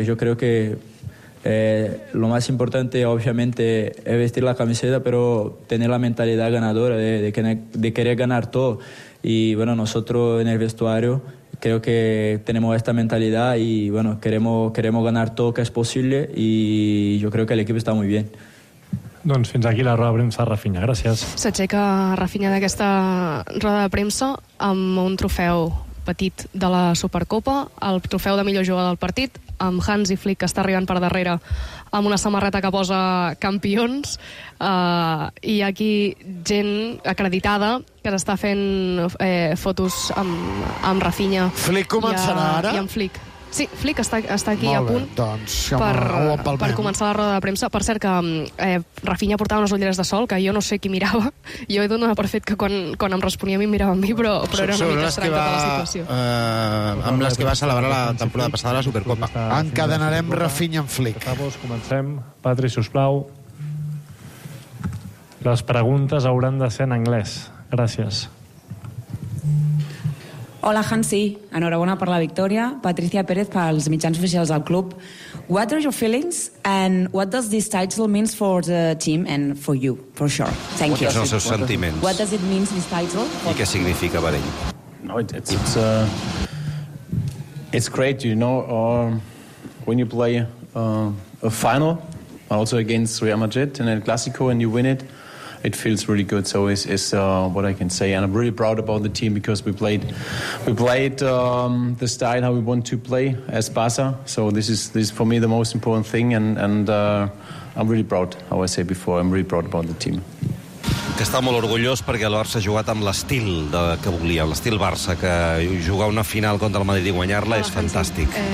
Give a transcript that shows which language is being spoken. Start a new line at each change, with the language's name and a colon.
Spanish: Yo creo que lo más importante obviamente es vestir la camiseta, pero tener la mentalidad ganadora de querer ganar todo. Y bueno, nosotros en el vestuario creo que tenemos esta mentalidad y bueno, queremos ganar todo que es posible, y yo creo que el equipo está muy bien.
Catalan: Doncs fins aquí la roda de premsa, Rafinha, gràcies. S'aixeca Rafinha d'aquesta roda de premsa amb un trofeu petit de la Supercopa, el trofeu de millor jugador del partit, amb Hansi Flick, que està arribant per darrere amb una samarreta que posa campions, i aquí gent acreditada que s'està fent fotos amb Rafinha. Flick començarà ara? I amb Flick. Sí, Flick està aquí bé, a punt doncs, per començar la roda de premsa. Per cert, que Rafinha portava unes ulleres de sol, que jo no sé qui mirava. Jo he donat per fet que quan em responia a mi mirava a mi, però era una mica estranya tota la situació. Amb les que va celebrar la temporada passada de la Supercopa. Encadenarem Rafinha amb Flick. Acabos, comencem. Patri, sisplau. Les preguntes hauran de ser en anglès. Gràcies. Hola, Hansi. Enhorabona per la victòria. Patricia Pérez pels mitjans oficials del club.
English: What are your feelings and what does this title mean for the team and for you, for sure? Thank
Catalan: you. Quins són els seus sentiments?
English: What does it mean, this title?
Catalan: I què significa per ell?
English: No, it's great, you know, when you play a final, also against Real Madrid in El Clásico, and you win it, it feels really good. So it's what I can say, and I'm really proud about the team because we played the style how we want to play as Barca. So this is for me the most important thing, and I'm really proud. How I said before, I'm really proud about the team.
Catalan: Que està molt orgullós perquè el Barça ha jugat amb l'estil que volia, l'estil Barça, que jugar una final contra el Madrid i guanyar-la és fantàstic.